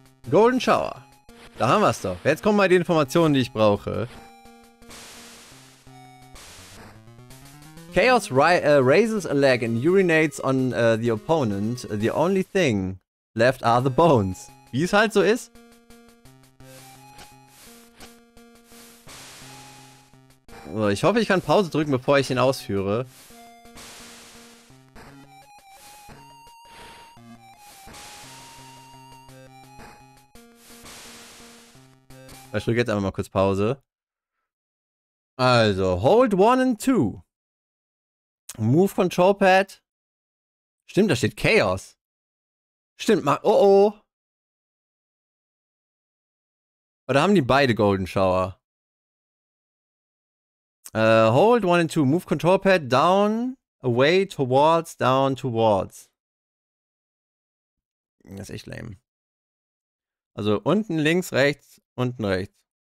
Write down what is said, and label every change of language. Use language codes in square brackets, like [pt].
[de] Golden Shower. Da haben wir es doch. Jetzt kommen mal die Informationen, die ich brauche. [en] Chaos raises a leg and urinates on the opponent. The only thing left are the bones. [de] Wie es halt so ist. So, ich hoffe, ich kann Pause drücken, bevor ich ihn ausführe. Ich drücke jetzt einfach mal kurz Pause. [en] Also, hold one and two. Move Control Pad. [de] Stimmt, da steht Chaos. Stimmt, mach. Oh oh. Oder haben die beide Golden Shower? [en] Hold one and two. Move Control Pad down, away, towards, down, towards. [de] Das ist echt lame. Also unten, links, rechts, unten, rechts.